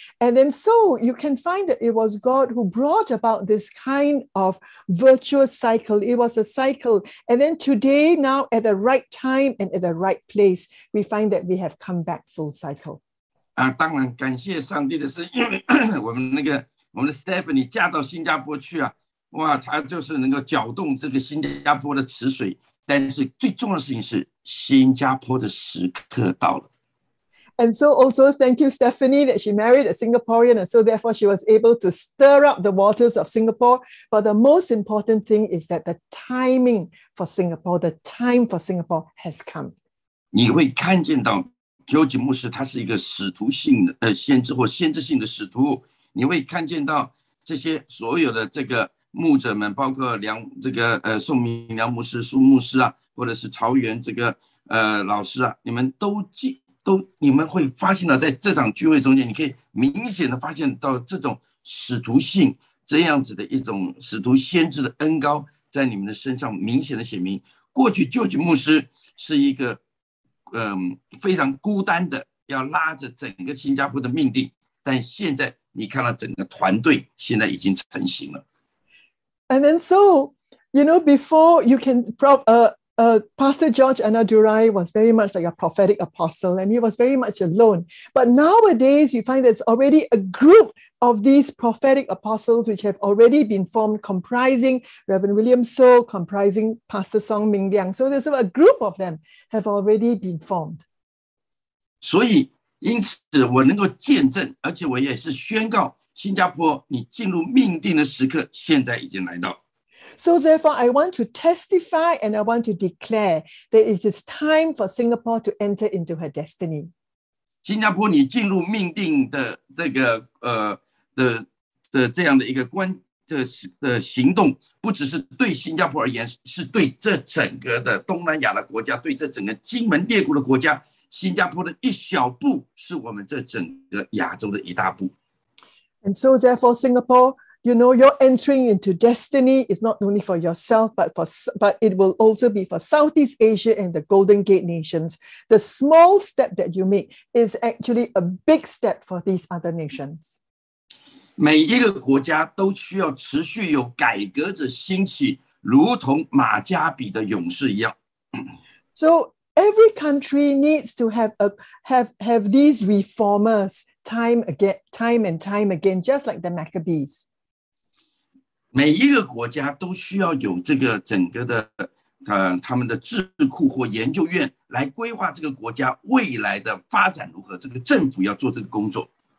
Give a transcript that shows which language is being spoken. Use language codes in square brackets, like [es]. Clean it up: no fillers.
[en] And then so you can find that it was God who brought about this kind of virtuous cycle. It was a cycle. And then today, now at the right time and at the right place, we find that we have come back full cycle. [zh] 当然感谢上帝的是因为我们那个我们的 Stephanie 嫁到新加坡去啊，哇，她就是能够搅动这个新加坡的池水，但是最重要的事情是新加坡的时刻到了。 [en] And so also thank you, Stephanie, that she married a Singaporean, and so therefore she was able to stir up the waters of Singapore. But the most important thing is that the timing for Singapore, the time for Singapore has come. [zh] 你会看见到George 牧师他是一个使徒性的先知或先知性的使徒，你会看见到这些所有的这个牧者们，包括梁这个宋明梁牧师、苏牧师啊，或者是朝元这个老师啊，你们都你们会发现到在这场聚会中间，你可以明显的发现到这种使徒性这样子的一种使徒先知的恩膏在你们的身上明显的显明。过去George 牧师是一个非常孤单的要拉着整个新加坡的命定，但现在你看到整个团队现在已经成型了。 [en] And then so you know before you can Pastor George Annadorai was very much like a prophetic apostle and he was very much alone, but nowadays you find there's already a groupof these prophetic apostles which have already been formed, comprising Reverend William So, comprising Pastor Song Ming Liang. So there's a group of them have already been formed. [zh] 所以因此我能够见证，而且我也是宣告新加坡你进入命定的时刻现在已经来到。 [en] So therefore, I want to testify and I want to declare that it is time for Singapore to enter into her destiny. [zh] 新加坡你进入命定的这个的这样的一个关的行动，不只是对新加坡而言，是对这整个的东南亚的国家，对这整个金门列国的国家，新加坡的一小步是我们这整个亚洲的一大步。 [en] And so therefore Singapore, you know, your entering into destiny is not only for yourself but it will also be for Southeast Asia and the Golden Gate nations. The small step that you make is actually a big step for these other nations. [zh] 每一个国家都需要持续有改革者兴起，如同马加比的勇士一样。 [en] So every country needs to have these reformers time and time again, just like the Maccabees. [zh] 每一个国家都需要有这个整个的他们的智库或研究院来规划这个国家未来的发展如何，这个政府要做这个工作。